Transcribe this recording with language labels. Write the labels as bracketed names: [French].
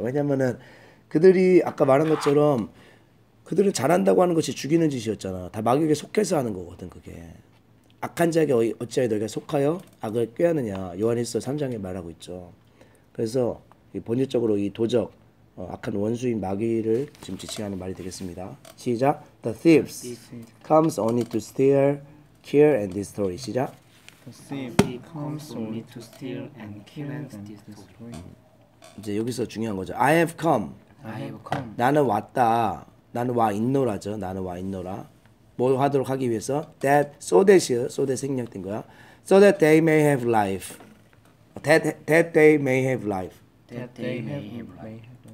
[Korean] 왜냐면은 그들이 아까 말한 것처럼 그들은 잘한다고 하는 것이 죽이는 짓이었잖아. 다 마귀에게 속해서 하는 거거든. 그게 악한 자에게 어찌하여 너희가 속하여 악을 꾀하느냐. 요한일서 3장에 말하고 있죠. 그래서 본질적으로 이 도적 악한 원수인 마귀를 지금 지칭하는 말이 되겠습니다. 시작. [English] The thieves comes only to steal, kill and destroy. [Korean] 시작. [English] The thief comes only to steal and kill and destroy. [Korean] 이제 여기서 중요한 거죠. [English] I have come. I have come. [Korean] 나는 왔다. 나는 와 있노라죠. 나는 와 있노라. 뭐 하도록 하기 위해서 that so that이요. So that 생략된 거야. [English] So that they may have life. That they may have life. That they may have life.